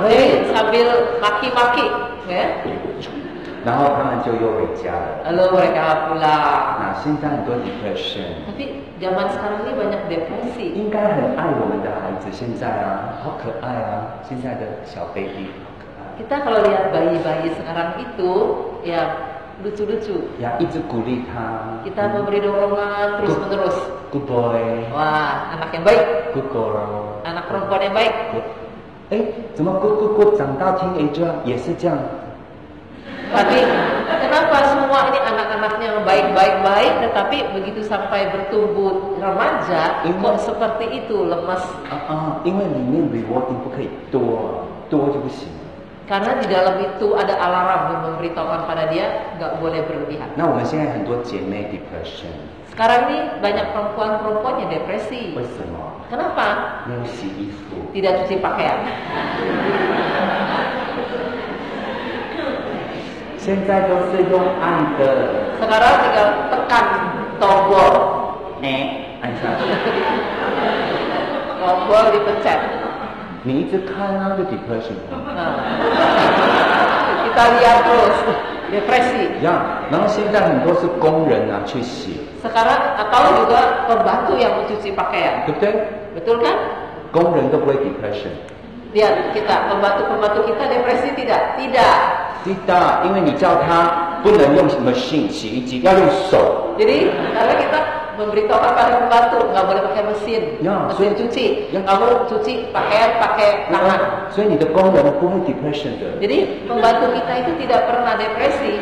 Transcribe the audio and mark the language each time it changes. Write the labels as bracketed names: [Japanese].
[Chinese] 对， [Indonesian] sambil maki-maki， [Chinese] 对。然后他们就又回家了。 [Indonesian] Lalu mereka pulang。 [Chinese] 那现在很多 depression。 [Indonesian] Tapi zaman sekarang ini banyak depresi。 [Chinese] 应该很爱我们的孩子现在啊，好可爱啊，现在的小 baby 好可爱。 [Indonesian] Kita kalau lihat bayi-bayi sekarang itu, ya lucu-lucu。 [Chinese] Ya, 一直鼓励他。 [Indonesian] Kita memberi dorongan terus menerus。 [English] Good boy。 [Indonesian] Wah, anak yang baik。 [English] Good girl。 [Indonesian] Anak perempuan yang baik。 [Chinese] 哎，怎么 [English] good good good [Chinese] 长大 teenager 也是这样？ [Indonesian] Tapi kenapa semua ini anak-anaknya baik baik baik, tetapi begitu sampai bertumbuh remaja kok seperti itu lemas? Karena di dalam rewarding [Chinese] 不可以多，多就不行。 [Indonesian] Karena di dalam itu ada alarm yang memberitahukan pada dia nggak boleh berlebihan. [Chinese] 那我们现在很多姐妹 depression。 [Indonesian] Sekarang ini banyak perempuan-perempuan yang depresi. [Chinese] 为什么？ [Indonesian] Kenapa? [Chinese] 没有洗衣服。 [Indonesian] Tidak cuci pakaian. [Chinese] 现在都是用按的。 [Indonesian] Sekarang tinggal tekan tombol. [Chinese] Nek, 按下去。 [Indonesian] Tombol dipencet. [Chinese] 你一直看啊，就 depression。 [Indonesian] Kita lihat terus depresi. [Chinese] Ya, 然后现在很多是工人啊去洗。 [Indonesian] Sekarang atau juga pembantu yang mencuci pakaian. Betul. Betul kan? [Chinese] 工人都不会 depression。 [Indonesian] Lihat kita pembantu-pembantu kita depresi tidak? Tidak. [Chinese] Tidak, 因为你叫他不能用 machine 洗衣机，要用手。 [Indonesian] Jadi karena kita memberitahukan para pembantu nggak boleh pakai mesin, mesin cuci, nggak boleh cuci pakaian pakai tangan. [Chinese] 所以你的工人不会 depression 的。 [Indonesian] Jadi pembantu kita itu tidak pernah depresi。